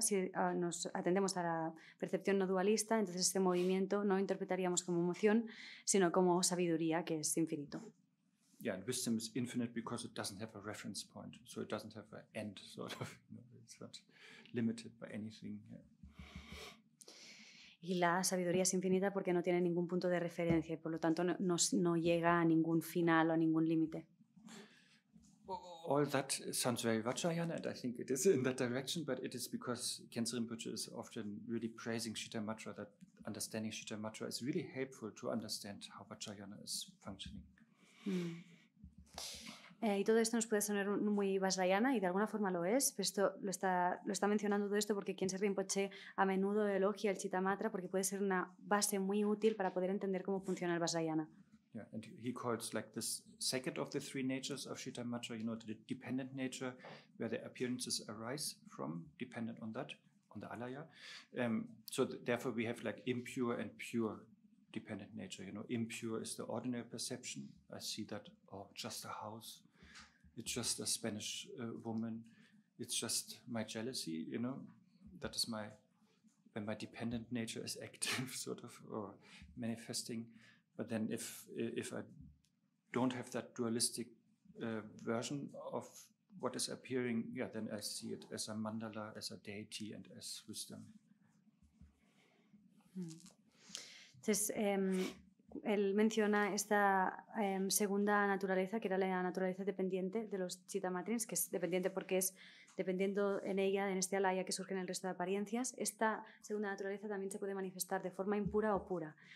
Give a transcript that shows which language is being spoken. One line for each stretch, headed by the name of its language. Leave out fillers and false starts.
Spanish: Si nos atendemos a la percepción no dualista, entonces este movimiento no lo interpretaríamos como emoción, sino como sabiduría, que es infinito.
English: Yeah, and wisdom is infinite because it doesn't have a reference point, so it doesn't have an end, sort of. You know, it's not limited by anything. Yeah.
Spanish: Y la sabiduría es infinita porque no tiene ningún punto de referencia, y por lo tanto no llega a ningún final o a ningún límite.
English: All that sounds very Vajrayana, and I think it is in that direction, but it is because Kensa Rinpoche is often really praising Shitamatra, that understanding Shitamatra is really helpful to understand how Vajrayana is functioning.
Spanish: Y todo esto nos puede sonar muy Vajrayana, y de alguna forma lo es, pero esto lo está mencionando todo esto porque Kensa Rinpoche a menudo elogia el Shitamatra porque puede ser una base muy útil para poder entender cómo funciona el Vajrayana.
English: Yeah, and he calls like this second of the three natures of Shitamatra, you know, the dependent nature, where the appearances arise from, dependent on that, on the alaya. Therefore we have like impure and pure dependent nature, you know. Impure is the ordinary perception. I see that, oh, just a house. It's just a Spanish woman. It's just my jealousy, you know. That is when my dependent nature is active, sort of, or manifesting. But then if I don't have that dualistic version of what is appearing, yeah, then I see it as a mandala, as a deity, and as wisdom.
Spanish: Entonces, él menciona esta segunda naturaleza, que era la naturaleza dependiente de los chitamatrins, que es dependiente porque es dependiendo en ella, en este alaya que surge en el resto de apariencias. Esta segunda naturaleza también se puede manifestar de forma impura o pura.